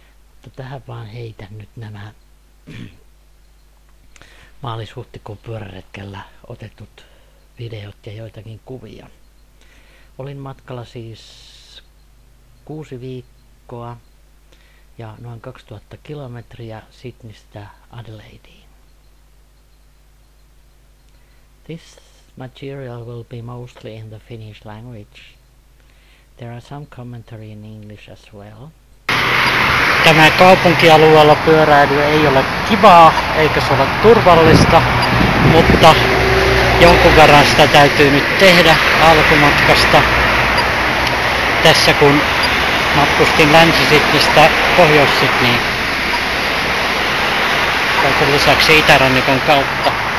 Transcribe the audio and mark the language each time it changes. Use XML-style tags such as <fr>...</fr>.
<fi>Mutta tähän vaan heitän nyt nämä maalis-huhtikuun pyöräretkellä otetut videot ja joitakin kuvia. Olin matkalla siis 6 viikkoa ja noin 2000 kilometriä Sydneystä Adelaideen.</fi> <en>This material will be mostly in the Finnish language. There are some commentary in English as well.</en> <fi>Tämä kaupunkialueella pyöräily ei ole kivaa, eikä se ole turvallista, mutta jonkun verran sitä täytyy nyt tehdä alkumatkasta. Tässä kun matkustin Länsi-Sydneystä Pohjois-Sydneyyn, kaiken lisäksi itärannikon kautta.</fi>